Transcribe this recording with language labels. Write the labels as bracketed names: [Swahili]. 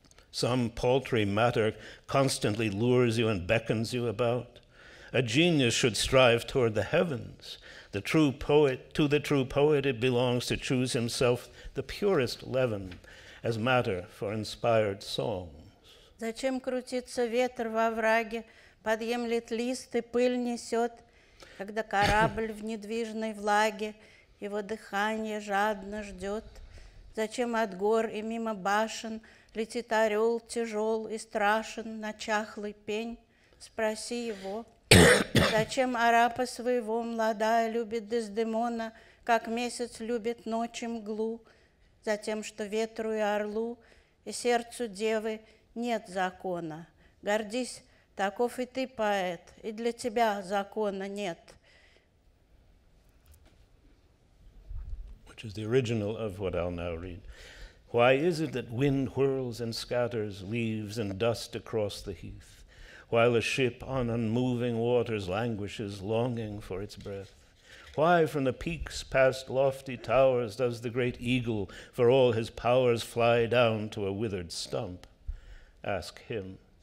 [English] Some paltry matter constantly lures you and beckons you about. A genius should strive toward the heavens. The true poet, to the true poet it belongs to choose himself the purest leaven as matter for inspired songs. [Russian] Зачем крутится ветер во враге, подъемлет лист и пыль несет, когда корабль в недвижной влаге, его дыхание жадно ждет? Зачем от гор и мимо башен летит орел тяжел и страшен на чахлый пень? Спроси его. Зачем арапа своего младая любит Дездемона, как месяц любит ночи мглу? Затем, что ветру и орлу, и сердцу девы нет закона. Гордись, таков и ты поэт, и для тебя закона нет. [English] Which is the original of what I'll now read. Why is it that wind whirls and scatters leaves and dust across the heath, while a ship on unmoving waters languishes, longing for its breath? Why from the peaks past lofty towers does the great eagle for all his powers fly down to a withered stump? Ask him.